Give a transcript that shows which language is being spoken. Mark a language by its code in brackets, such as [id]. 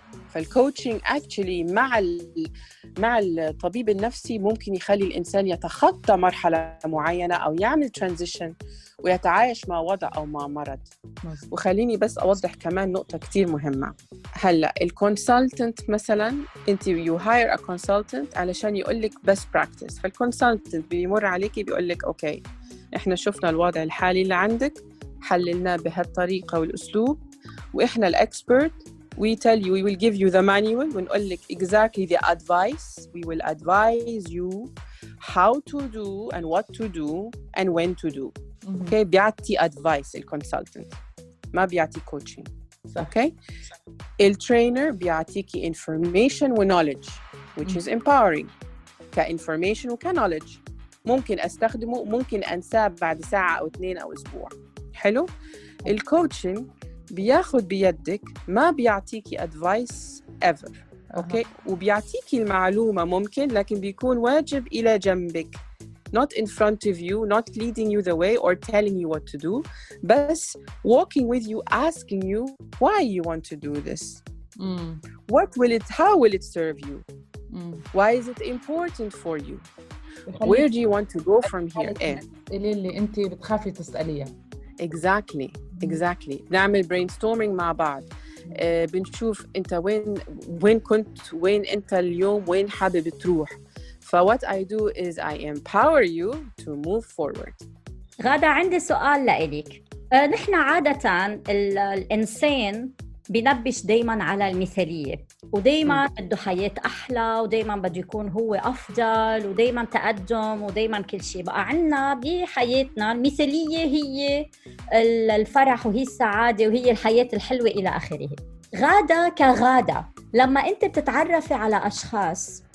[ar] فالكوتشينج اكتشلي مع الطبيب النفسي ممكن يخلي الانسان يتخطى مرحله معينه او يعمل ترانزيشن ويتعايش مع وضع او مع مرض. وخليني بس اوضح كمان نقطه كتير مهمه. هلا الكونسلتنت مثلا، انت [en] you hire a consultant [ar] علشان يقول لك [en] Best practice. [ar] فالكونسلتنت بيمر عليكي بيقول لك اوكي احنا شفنا الوضع الحالي اللي عندك، [en] حللناه بهالطريقه والاسلوب، واحنا الاكسبرت، we tell you, we will give you the manual [ar] ونقول لك [en] exactly the advice, we will advise you how to do and what to do and when to do. [ar] Okay, بيعطي advice الconsultant، ما بيعطي coaching. Okay, الtrainer بيعطيكي information وknowledge [en] which is empowering [ar] كinformation وknowledge، ممكن استخدمه ممكن انساه بعد ساعة او اثنين او اسبوع. حلو. الcoaching بياخد بيدك، ما بيعطيكي advice ever. [en] okay. [ar] وبيعطيكي المعلومة ممكن، لكن بيكون واجب إلى جنبك، [en] not in front of you, not leading you the way or telling you what to do, بس walking with you, asking you why you want to do this. What will it, how will it serve you? Why is it important for you? Where do you want to go from here? [ar] اللي انت بتخافي تسأليها. [en] Exactly. Exactly. [ar] نعمل brainstorming مع بعض. بنشوف انت وين كنت، وين انت اليوم، وين حابب تروح. [en] فwhat I do is I empower you to move forward. [ar] غادة عندي سؤال لإليك. نحن عادة الإنسان بنبش دايما على المثالية، ودايما بده حياة أحلى، ودايما بده يكون هو أفضل، ودايما تقدم، ودايما كل شيء. بقى عنا بحياتنا المثالية هي الفرح وهي السعادة وهي الحياة الحلوة إلى آخره. غادة كغادة، لما أنت بتتعرفي على أشخاص